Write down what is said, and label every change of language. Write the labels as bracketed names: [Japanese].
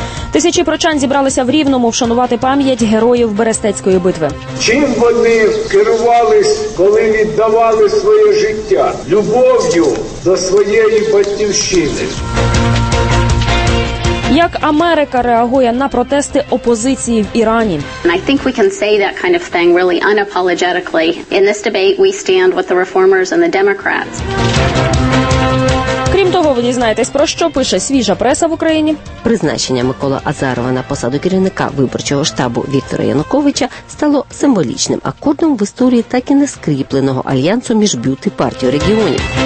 [Ukrainian] Тисячі прочан зібралися в Рівному вшанувати пам'ять героїв Берестецької битви. Чим вони керувались, коли віддавали своє життя? Любов'ю до своєї батьківщини. Як Америка реагує на протести опозиції в Ірані? [English] I think we can say that kind of thing really unapologetically. In this debate we stand with the reformers and the Democrats. [Ukrainian] Крім того, ви дізнаєтесь, про що пише свіжа преса в Україні. Призначення Миколи Азарова на посаду керівника виборчого штабу Віктора Януковича стало символічним акордом в історії так і не скріпленого альянсу між БЮТ і партією регіонів.